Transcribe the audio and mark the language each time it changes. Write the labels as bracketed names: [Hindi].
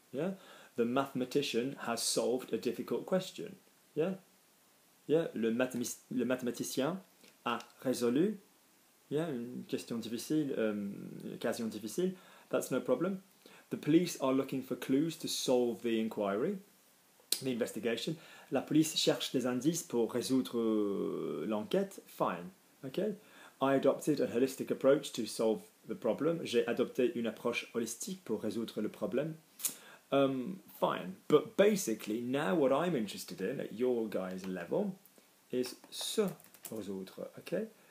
[English] Yeah, the mathematician has solved a difficult question. [French] Yeah, yeah, le mathématicien a résolu. Yeah, une question difficile, occasion difficile. [English] That's no problem. The police are looking for clues to solve the inquiry, the investigation. [French] La police cherche des indices pour résoudre l'enquête. [English] Fine. Okay. I adopted a holistic approach to solve the problem. [French] J'ai adopté une approche holistique pour résoudre le problème. [English] Fine. But basically, now what I'm interested in at your guys' level is se résoudre, okay?